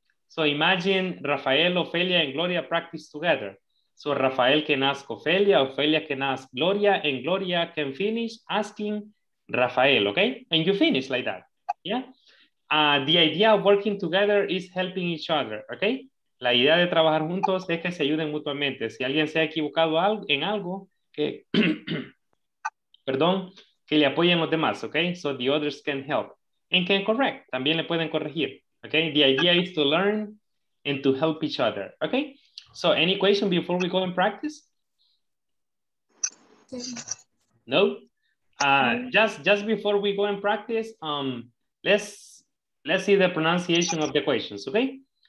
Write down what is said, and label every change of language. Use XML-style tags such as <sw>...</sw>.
<en>So imagine Rafael, Ofelia, and Gloria practice together. So Rafael can ask Ofelia, Ofelia can ask Gloria, and Gloria can finish asking Rafael, okay? And you finish like that, yeah? The idea of working together is helping each other, okay?</en> <es>La idea de trabajar juntos es que se ayuden mutuamente. Si alguien se ha equivocado en algo, que, perdón, que le apoyen los demás, ¿ok?</es> <en>So the others can help. And can correct,</en> <es>también le pueden corregir,</es> <en>¿ok? The idea is to learn and to help each other, ¿ok? So any question before we go and practice? No? Just before we go and practice, let's see the pronunciation of the questions, ¿ok?</en>